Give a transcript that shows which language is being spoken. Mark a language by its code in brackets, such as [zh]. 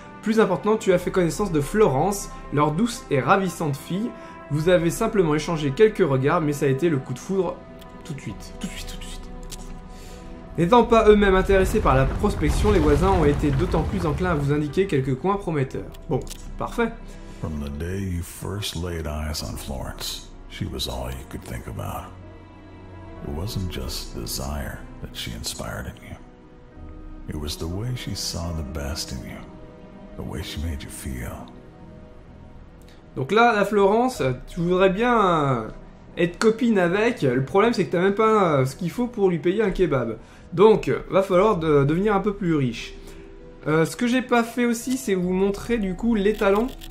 [fr] Plus important, tu as fait connaissance de Florence, leur douce et ravissante fille. Vous avez simplement échangé quelques regards, mais ça a été le coup de foudre tout de suite. N'étant pas eux-mêmes intéressés par la prospection, les voisins ont été d'autant plus enclins à vous indiquer quelques coins prometteurs. Bon, parfait. [en] From the day you first laid eyes on Florence, she was all you could think about. It wasn't just desire that she inspired in you. It was the way she saw the best in you. The way she made you feel. [fr] Donc là, la Florence, tu voudrais bien être copine avec. Le problème, c'est que t'as même pas ce qu'il faut pour lui payer un kebab. Donc, va falloir devenir un peu plus riche. Ce que j'ai pas fait aussi, c'est vous montrer du coup les talents.